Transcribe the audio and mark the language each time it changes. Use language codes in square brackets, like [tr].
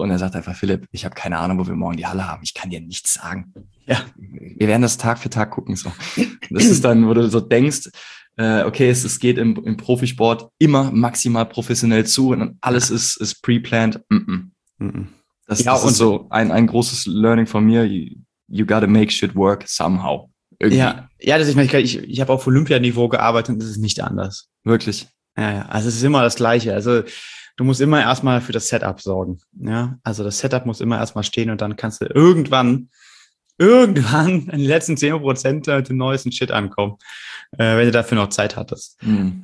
[de] Und er sagt einfach, Philipp, ich habe keine Ahnung, wo wir morgen die Halle haben. Ich kann dir nichts sagen. Ja, wir werden das Tag für Tag gucken. So. Das ist dann, wo du so denkst, okay, es geht im Profisport immer maximal professionell zu und alles ist pre-planned. Mm-mm. Das, ja, das ist so ein großes Learning von mir. [en] You gotta make shit work somehow. [de] Irgendwie. Ja, das ist, ich habe auf Olympianiveau gearbeitet und das ist nicht anders. Wirklich. Ja, also es ist immer das Gleiche. Also du musst immer erstmal für das Setup sorgen. Ja, also das Setup muss immer erstmal stehen und dann kannst du irgendwann in den letzten 10% mit dem neuesten Shit ankommen, wenn du dafür noch Zeit hattest. Mhm.